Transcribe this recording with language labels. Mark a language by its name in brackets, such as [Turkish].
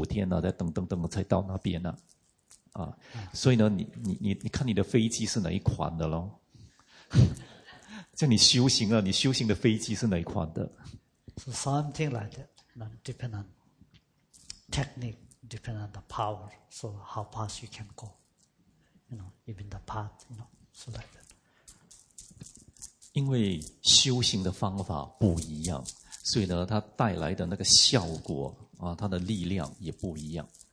[Chinese] 所以呢是好像是这样的比喻了，你听这个比喻，如果从新加坡到美国呢，你坐的是火箭的话，像不用一个小时，你就从新加坡你就就飞到美国了，你坐的是火箭了。可是你坐的是太阳能飞机的话，太阳能冬季要等等等等等，要太阳出来才有飞机。像你要从新加坡坐到美国，要10天或15天，再等等等才到那边呢。所以呢，你看你的飞机是哪一款的咯？就你修行了，你修行的飞机是哪一款的 [English] ？So something like that, depend on technique, depend on the power. So how fast you can go, you know, even the path, you know, so like that. [Chinese] 因为修行的方法不一样，所以呢，它带来的那个效果啊，它的力量也不一样。